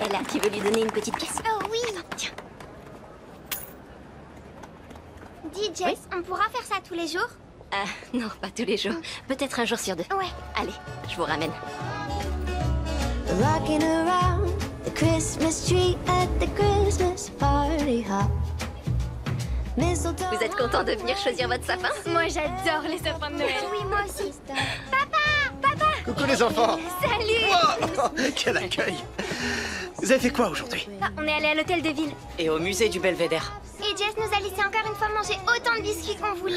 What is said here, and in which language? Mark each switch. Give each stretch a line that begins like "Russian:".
French: Tu veux lui donner une petite pièce? Oh oui! Tiens! Dis, Jess, oui, on pourra faire ça tous les jours? Non, pas tous les jours. Peut-être un jour sur deux. Ouais. Allez, je vous ramène.
English: Rocking around the Christmas tree at the Christmas party hop.
French: Vous êtes content de venir choisir votre sapin? Moi, j'adore les sapins de Noël. Oui, moi aussi. Papa! Papa! Coucou les enfants! Salut! Wow, quel accueil! Vous avez fait quoi aujourd'hui? On est allé à l'hôtel de ville. Et au musée du Belvédère. Et Jess nous a laissé encore une fois manger autant de biscuits qu'on voulait.